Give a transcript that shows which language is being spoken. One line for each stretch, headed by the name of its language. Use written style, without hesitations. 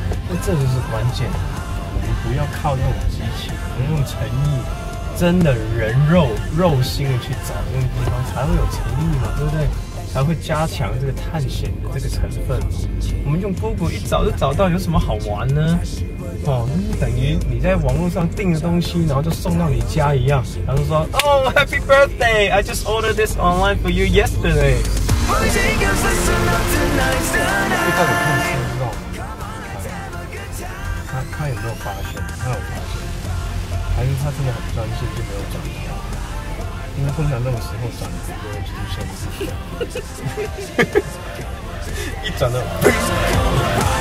Chinese: 那这就是关键，我们不要靠那种机器，我们用诚意，真的人肉心的去找那个地方，才会有诚意嘛，对不对？才会加强这个探险的这个成分。我们用 Google 一找就找到，有什么好玩呢？哦，就是等于你在网络上订的东西，然后就送到你家一样。然后就说
English: ，Oh, Happy Birthday! I just ordered this online for you yesterday.
Chinese: 一开始看的时候，知道他有没有发现？他有发现，还是他真的很专心就没有转到？因为通常那种时候转的就会出现一些，一转到。